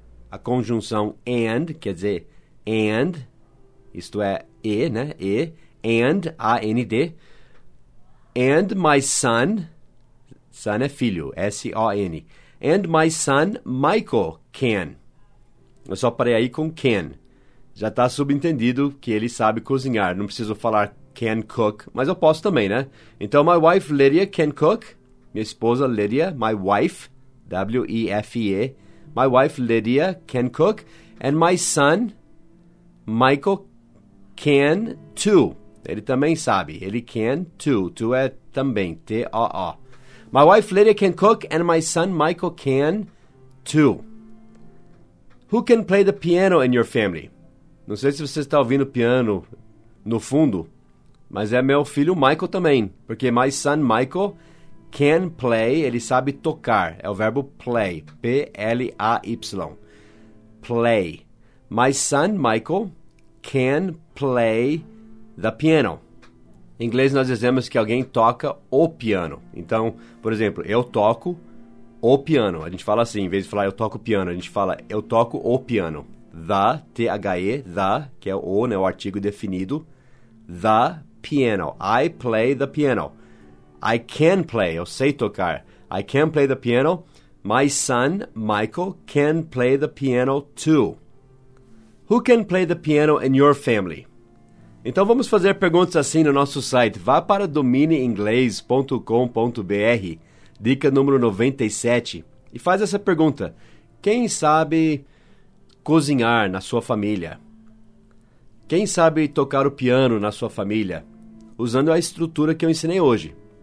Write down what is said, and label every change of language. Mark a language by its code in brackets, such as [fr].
[pt] A conjunção and, quer dizer and, isto é e, né, e, and, A-N-D, and my son, son é filho, S-O-N, [en] and my son Michael can. [pt] Eu só parei aí com can, já está subentendido que ele sabe cozinhar, não preciso falar [en] can cook, [pt] mas eu posso também, né? [en] Então, my wife Lydia can cook, [pt] minha esposa Lydia, [en] my wife, W-E-F-E, my wife Lydia can cook, and my son Michael can too. [pt] Ele também sabe. Ele can too. Tu é também. T-O-O. [en] My wife Lydia can cook, and my son Michael can too. Who can play the piano in your family? [pt] Não sei se você está ouvindo piano no fundo, mas é meu filho Michael também, porque [en] my son Michael... [pt] Can play, ele sabe tocar. É o verbo play. [en] P-L-A-Y. Play. My son, Michael, can play the piano. [pt] Em inglês, nós dizemos que alguém toca o piano. Então, por exemplo, eu toco o piano. A gente fala assim, em vez de falar eu toco piano, a gente fala eu toco o piano. The, T-H-E, the, que é o, né, o artigo definido. [en] The piano. I play the piano. I can play, [pt] eu sei tocar. [en] I can play the piano. My son, Michael, can play the piano too. Who can play the piano in your family? [pt] Então vamos fazer perguntas assim no nosso site. Vá para dominiinglês.com.br, dica número 97, e faz essa pergunta. Quem sabe cozinhar na sua família? Quem sabe tocar o piano na sua família? Usando a estrutura que eu ensinei hoje.